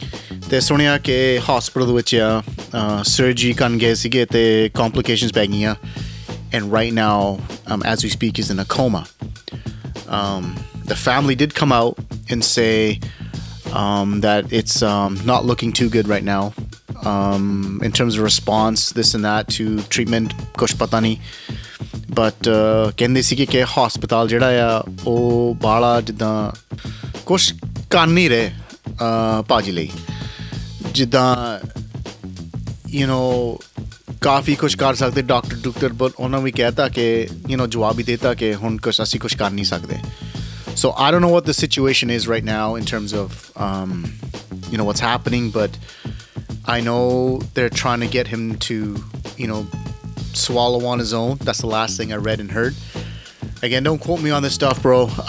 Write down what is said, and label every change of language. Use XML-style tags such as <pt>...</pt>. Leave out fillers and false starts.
<en>They're saying that the hospital with surgery, the complications, and right now, as we speak, he's in a coma. The family did come out and say, that it's not looking too good right now in terms of response, this and that, to treatment,</en> <pa>ਕੁਛ ਪਤਾ ਨਹੀ. But ਕਹਿੰਦੇ ਸੀ ਕੇ hospital ਜਿਹੜਾ ਯਾ ਓਹ ਬਲਾ ਜਿੱਦਾਂ ਕੁਛ ਕਨ ਨਹੀ ਰਹੇ ਪਾਜੀ ਲਈ ਜਿੱਦਾਂ you know ਕਾਫੀ ਕੁਛ ਕਰ ਸਕਦੇ doctor but ਓਹਨਾ ਵੀ ਕਹਿਤਾ ਕੇ you know ਜਵਾਬ ਹੀ ਦੇਤਾ ਕੇ ਹੁਣ ਕੁਛ ਅਸੀ ਕੁਛ ਕਰ ਨਹੀ ਸਕਦੇ.</pa> <en>So I don't know what the situation is right now in terms of you know what's happening, but I know they're trying to get him to, you know, swallow on his own. That's the last thing I read and heard. Again, don't quote me on this stuff, bro.</en>